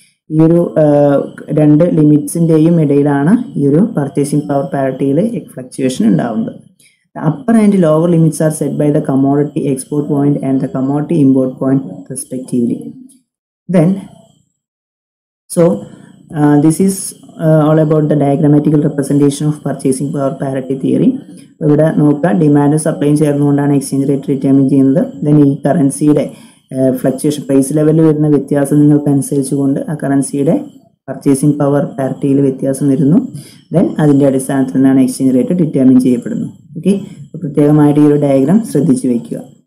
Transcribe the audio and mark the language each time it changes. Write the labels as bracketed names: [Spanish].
[Malayalam] ഈ ഒരു രണ്ട് ലിമിറ്റ്സിൻ്റെയും ഇടയിലാണ് ഈ ഒരു പർച്ചേസിംഗ് പവർ പാരിറ്റിയിൽ ഫ്ലക്ച്വേഷൻ ഉണ്ടാകുന്നത്. [English] Upper and lower limits are set by the commodity export point and the commodity import point respectively. Then so This is all about the diagrammatic representation of purchasing power parity theory. [Malayalam] ഇവിടെ നോക്കുക demand supply ചേർന്നുകൊണ്ടാണ് exchange rate determine ചെയ്യുന്നത്. Then ഈ കറൻസിയുടെ fluctuation price ലെവലിൽ വരുന്ന വ്യത്യാസം നിങ്ങൾക്ക് അനുസരിച്ചുകൊണ്ട് ആ കറൻസിയുടെ പർച്ചേസിംഗ് പവർ പാരിറ്റിയിൽ വ്യത്യാസം വരുന്നു. ദെൻ അതിൻ്റെ അടിസ്ഥാനത്തിൽ നിന്നാണ് എക്സ്ചേഞ്ച് റേറ്റ് ഡിറ്റർമിൻ ചെയ്യപ്പെടുന്നു. ഓക്കെ, അപ്പോൾ പ്രത്യേകമായിട്ട് ഈ ഒരു ഡയഗ്രാം ശ്രദ്ധിച്ച് വയ്ക്കുക.